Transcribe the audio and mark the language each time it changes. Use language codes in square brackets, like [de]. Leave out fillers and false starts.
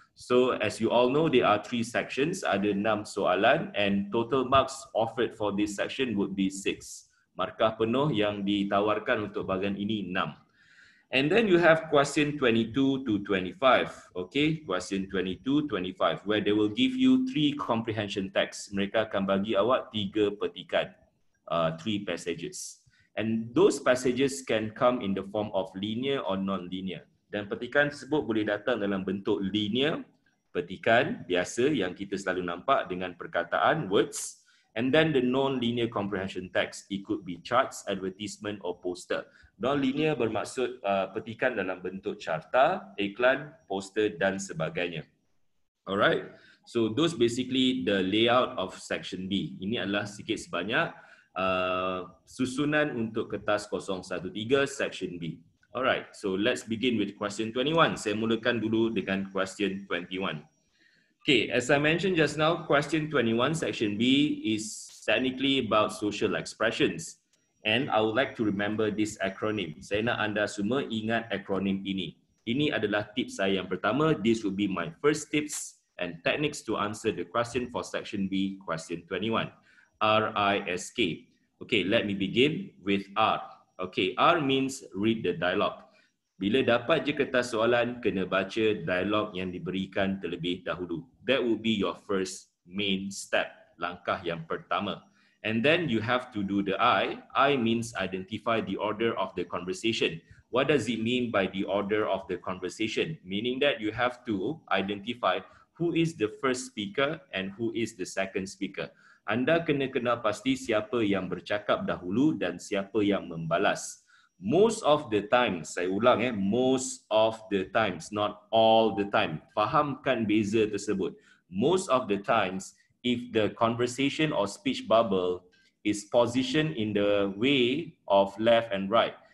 [en] So as you all know, there are three sections. [ms] Ada 6 soalan [en] and total marks offered for this section would be 6. [ms] Markah penuh yang ditawarkan untuk bahagian ini 6. [en] And then you have question 22 to 25. Okay, question 22 25 where they will give you 3 comprehension texts. [ms] Mereka akan bagi awak 3 petikan. [en] 3 passages. And those passages can come in the form of linear or non-linear. [ms] Dan petikan tersebut boleh datang dalam bentuk linear petikan biasa yang kita selalu nampak dengan perkataan words, [en] and then the non-linear comprehension text. It could be charts, advertisement or poster. [ms] Non-linear bermaksud petikan dalam bentuk carta, iklan, poster dan sebagainya. [en] Alright, so those basically the layout of section B. [ms] Ini adalah sikit sebanyak susunan untuk kertas 013 section B. [en] Alright, so let's begin with question 21. [ms] Saya mulakan dulu dengan question 21. [en] Okay, as I mentioned just now, question 21 section B is technically about social expressions. And I would like to remember this acronym. [ms] Saya nak anda semua ingat acronym ini. Ini adalah tip saya yang pertama. [en] This will be my first tips and techniques to answer the question for section B, question 21. R-I-S-K. Okay, let me begin with R. Okay, R means read the dialogue. [ms] Bila dapat je kertas soalan, kena baca dialog yang diberikan terlebih dahulu. [en] That will be your first main step, [ms] langkah yang pertama. [en] And then you have to do the I. I means identify the order of the conversation. What does it mean by the order of the conversation? Meaning that you have to identify who is the first speaker and who is the second speaker. [ms] Anda kena kenal pasti siapa yang bercakap dahulu dan siapa yang membalas. [en] Most of the time, [ms] saya ulang [en] most of the times, not all the time. [ms] Fahamkan beza tersebut. [en] Most of the times, if the conversation or speech bubble is positioned in the way of left and right.